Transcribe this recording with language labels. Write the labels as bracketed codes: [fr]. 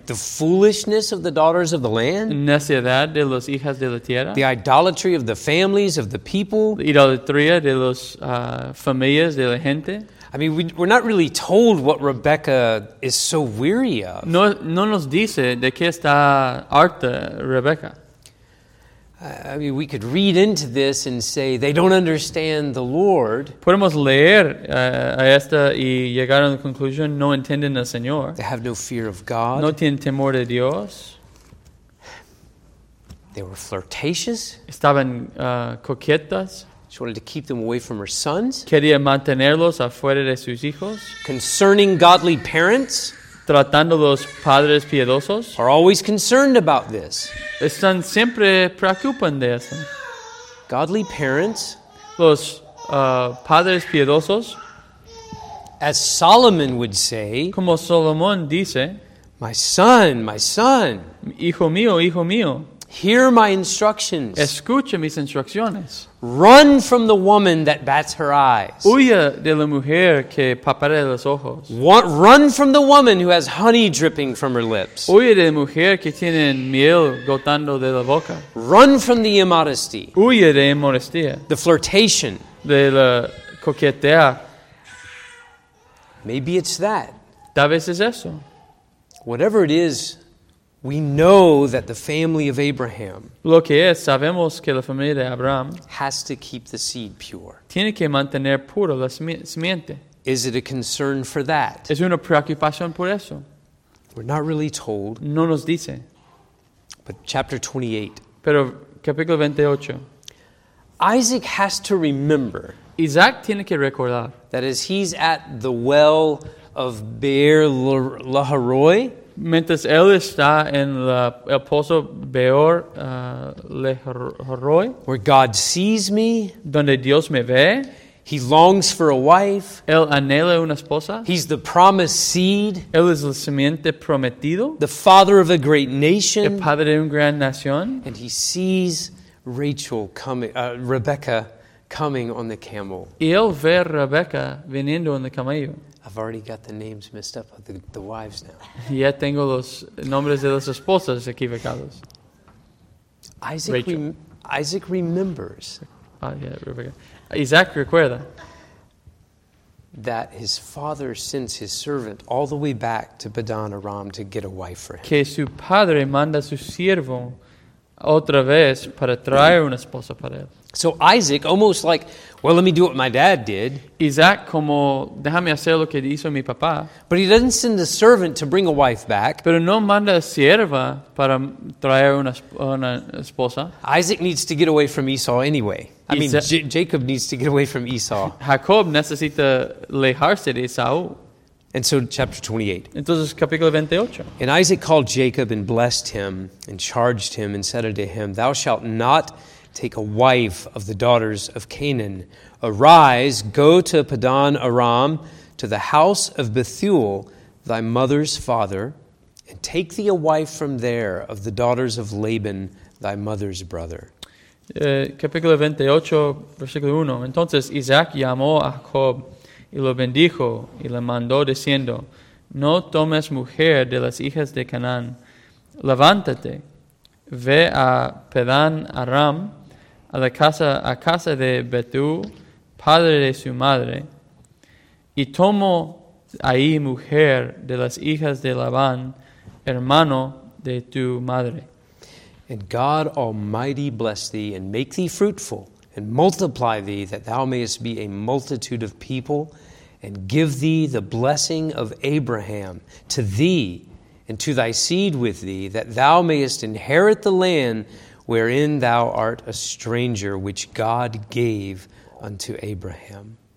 [en] The foolishness of the daughters of the land? [es] ¿Necedad de las hijas de la tierra? [en] The idolatry of the families of the people? [es] ¿La idolatría de las familias de la gente? [en] I mean, we're not really told what Rebecca is so weary of. [es] No nos dice de qué está harta Rebecca. [en] I mean, we could read into this and say they don't understand the Lord. [es] Podemos leer a esta y llegar a la conclusión, no entienden al Señor. [en] They have no fear of God. [es] No tienen temor de Dios. [en] They were flirtatious. [es] Estaban coquetas. [en] She wanted to keep them away from her sons. [es] Quería mantenerlos afuera de sus hijos. [en] Concerning godly parents. [es] Tratando los padres piadosos. [en] Are always concerned about this. [es] Están siempre preocupando de esto. [en] Godly parents. [es] Los padres piadosos. [en] As Solomon would say. [es] Como Salomón dice. [en] My son, my son. [es] Hijo mío, hijo mío. [en] Hear my instructions. [es] Escucha mis instrucciones. [en] Run from the woman that bats her eyes. [es] Huya de la mujer que parpadea los ojos. [en] Run from the woman who has honey dripping from her lips. [es] Huya de la mujer que tiene miel gotando de la boca. [en] Run from the immodesty. [es] Huya de inmodestia. [en] The flirtation. [es] De la coquetea. [en] Maybe it's that. [es] Tal vez es eso. [en] Whatever it is, we know that the family of Abraham, [es] lo que es, sabemos que la familia de Abraham [en] has to keep the seed pure. [es] Tiene que mantener puro la simiente. [en] Is it a concern for that? [es] Es una preocupación por eso. [en] We're not really told. [es] No nos dice. [en] But chapter 28. [es] Pero capítulo 28. [en] Isaac has to remember. [es] Isaac tiene que recordar. [en] That as he's at the well of Beer Laharoi. [es] Mientras él está en el pozo Beor Lehoroi, [en] where God sees me, [es] donde Dios me ve, [en] he longs for a wife. [es] Él anhela una esposa. [en] He's the promised seed. [es] Él es la simiente prometido. [en] The father of a great nation. [es] El padre de una gran nación. [en] And he sees Rachel coming, Rebecca coming on the camel. [es] Y él ve a Rebecca viniendo en el camello. [en] I've already got the names messed up of the wives now. [es] Ya tengo los nombres de las esposas equivocados. [en] Isaac remembers. [es] Isaac recuerda. [en] That his father sends his servant all the way back to Padan Aram to get a wife for him. [es] Que su padre manda su siervo otra vez para traer una esposa para él. [en] So Isaac, almost like, well, let me do what my dad did. [es] Isaac, como, déjame hacer lo que hizo mi papá. [en] But he doesn't send a servant to bring a wife back. [es] Pero no manda a sierva para traer una esposa. [en] Isaac needs to get away from Esau anyway. Jacob needs to get away from Esau. [es] Jacob necesita alejarse de Esau. [en] And so chapter 28. [es] Entonces capítulo 28. [en] And Isaac called Jacob and blessed him and charged him and said unto him, thou shalt not take a wife of the daughters of Canaan. Arise, go to Padan Aram, to the house of Bethuel, thy mother's father, and take thee a wife from there of the daughters of Laban, thy mother's brother. [es] Capítulo 28, versículo 1. Entonces Isaac llamó a Jacob y lo bendijo y le mandó diciendo, no tomes mujer de las hijas de Canaán. Levántate, ve a Padan Aram, a casa de Bethuel, padre de su madre, y tomó ahí mujer de las hijas de Labán, hermano de tu madre. [en] And God Almighty bless thee, and make thee fruitful, and multiply thee, that thou mayest be a multitude of people, and give thee the blessing of Abraham to thee, and to thy seed with thee, that thou mayest inherit the land wherein thou art a stranger, which God gave unto Abraham.